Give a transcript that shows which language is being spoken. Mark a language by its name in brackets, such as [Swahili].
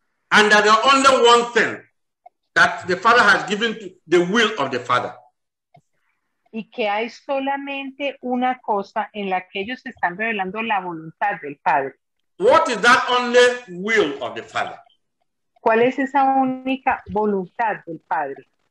[English] And that the only one thing that the Father has given to the will of the Father. [Spanish] Y que hay solamente una cosa en la que ellos están revelando la voluntad del Padre. [English] What is that only will of the Father? [Spanish] ¿Cuál es esa única voluntad del Padre?